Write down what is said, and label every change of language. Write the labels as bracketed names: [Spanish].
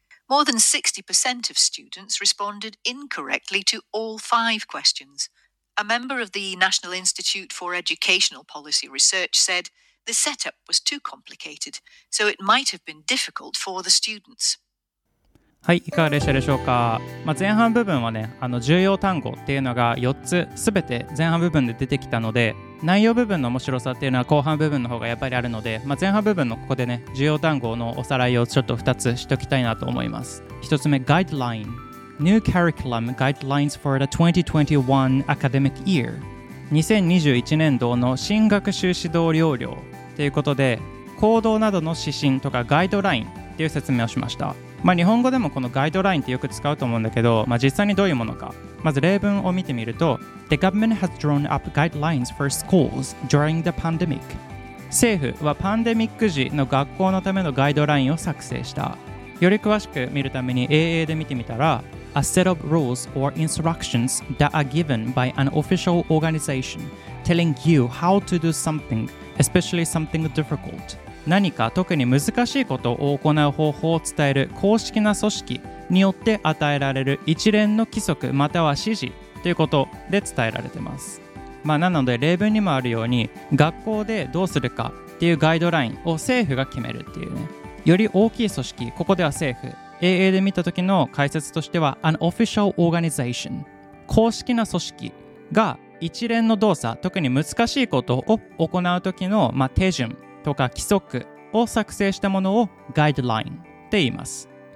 [English] More than 60% of students responded incorrectly to all five questions. A member of the National Institute for Educational Policy Research said the setup was too complicated, so it might have been difficult for the students. [Japanese] はい、いかがでしたでしょうか。まあ、前半部分はね、重要単語っていうのが4つ全て前半部分で出てきたので、内容部分の面白さっていうのは後半部分の方がやっぱりあるので、まあ、前半部分のここでね、重要単語のおさらいをちょっと2つしておきたいなと思います。 1つ目、 [English] Guideline New Curriculum Guidelines for the 2021 Academic Year [Japanese] 2021年度の新学習指導要領ということで、行動などの指針とかガイドラインっていう説明をしました。まあ、日本語でもこのガイドラインってよく使うと思うんだけど、まあ、実際にどういうものか、まず例文を見てみると、 [English] The government has drawn up guidelines for schools during the pandemic. [Japanese] 政府はパンデミック時の学校のためのガイドラインを作成した。より詳しく見るために AA で見てみたら、 [English] A set of rules or instructions that are given by an official organization telling you how to do something, especially something difficult. [Japanese] 何か特に難しいことを行う方法を伝える公式な組織によって与えられる一連の規則または指示ということで伝えられています。まあ、なので例文にもあるように、学校でどうするかっていうガイドラインを政府が決めるっていうね、より大きい組織、ここでは政府、 AA で見た時の解説としては [English] An official organization、 [Japanese] 公式な組織が一連の動作、特に難しいことを行う時の、まあ、手順とか規則を作成したものをガイドラインって言います。